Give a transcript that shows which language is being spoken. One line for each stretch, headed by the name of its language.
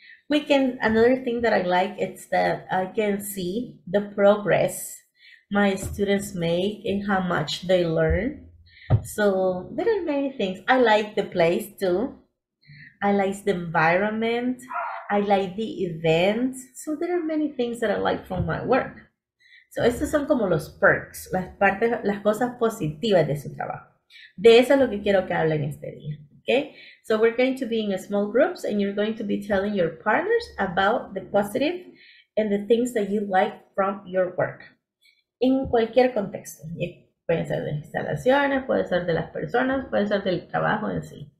English: Another thing that I like is that I can see the progress my students make and how much they learn. So there are many things. I like the place too. I like the environment. I like the event. So there are many things that I like from my work.
Spanish: So, estos son como los perks, las partes, las cosas positivas de su trabajo. De eso es lo que quiero que hablen este día.
English: Okay? So we're going to be in a small groups and you're going to be telling your partners about the positive and the things that you like from your work.
Spanish: En cualquier contexto. Puede ser de instalaciones, puede ser de las personas, puede ser del trabajo en sí.